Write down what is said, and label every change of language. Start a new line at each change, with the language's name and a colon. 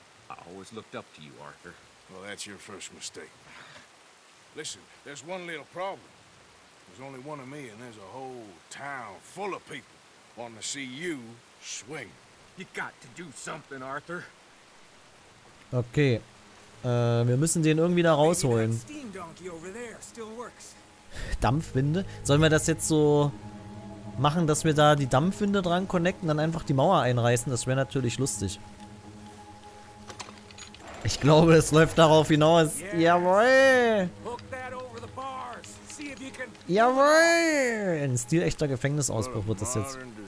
English: I always looked up to you, Arthur. Well, that's your first mistake. Listen, there's one little problem. There's only one of me, and there's a whole town full of people wanting to see you swing. You got to do something, Arthur. Okay.
German: Wir müssen den irgendwie da rausholen.
English: Steam donkey over there still works.
German: Dampfwinde? Sollen wir das jetzt so machen, dass wir da die Dampfwinde dran connecten, dann einfach die Mauer einreißen? Das wäre natürlich lustig. Ich glaube, es läuft darauf hinaus.
English: Yes.
German: Jawoll! Jawoll! Ein stilechter Gefängnisausbruch wird das jetzt.